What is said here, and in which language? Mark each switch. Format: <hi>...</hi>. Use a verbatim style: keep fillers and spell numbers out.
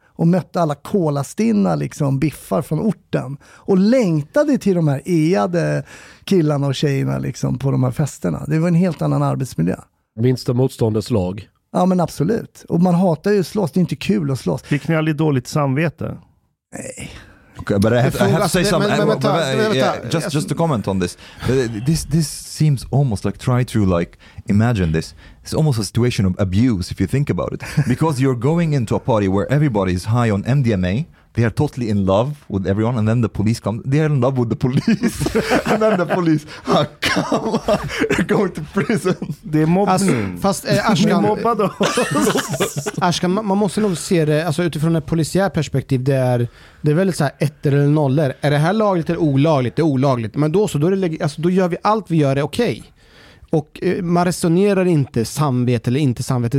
<sv>Och mötte alla kolastinna liksom biffar från orten. Och längtade till de här eade killarna och tjejerna liksom på de här festerna. Det var en helt annan arbetsmiljö. Minsta motståndets lag. Ja men absolut. Och man hatar ju slåss. Det är inte kul att slåss. Fick ni aldrig dåligt samvete? Nej.</sv> <en>Okay, but I have, I have to say something. Yeah, just, just to comment on this. This, this seems almost like try to like imagine this. It's almost a situation of abuse if you think about it, because you're going into a party where everybody is high on M D M A. They are totally in love with everyone, and then the police come. They are in love with the police, and then the police are oh, going to prison.</en> <sv>Det är mobbning. Alltså, fast eh, Ashkan, Ashkan, man, man måste nog se det alltså, utifrån ett polisiärt perspektiv. Det är, det är väldigt så här ett eller nollor. Är det här lagligt eller olagligt? Det är olagligt. Men då så, då, är det, alltså, då gör vi allt vi gör är okej. Okay. Och eh, man resonerar inte samvete eller inte samvete.</sv>